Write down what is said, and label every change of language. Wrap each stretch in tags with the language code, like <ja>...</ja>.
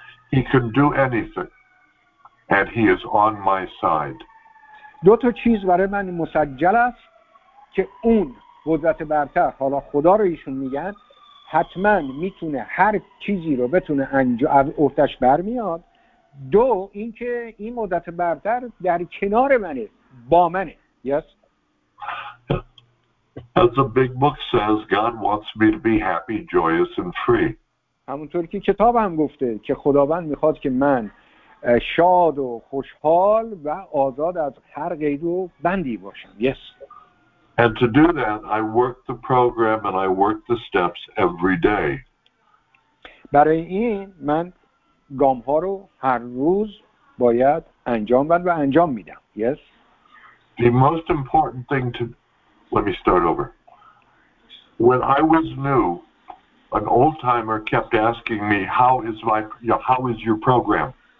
<en>He can do anything and he is on my side.</en> <fa>دو تا چیز برای من مسجل است که اون قدرت برتر، حالا خدا رو ایشون میگن، حتما میتونه هر چیزی رو بتونه از عهده‌اش برمیاد. دو اینکه این قدرت برتر در کنار منه، با منه.</fa> <en>Yes. As the big book says, God wants me to be happy, joyous and free.</en> <fa>همونطور که کتاب هم گفته که خداوند میخواد که من شاد و خوشحال و آزاد از هر قید و بندی باشم.</fa> <en>Yes. And to do that, I work the program and I work the steps every day.</en> <fa>برای این من گام‌ها رو هر روز باید انجام بدم و انجام میدم.</fa> <en>Yes. The most important thing to let me start over. When I was new, an old timer kept asking me, "How is my, you know, how is your program?"</en>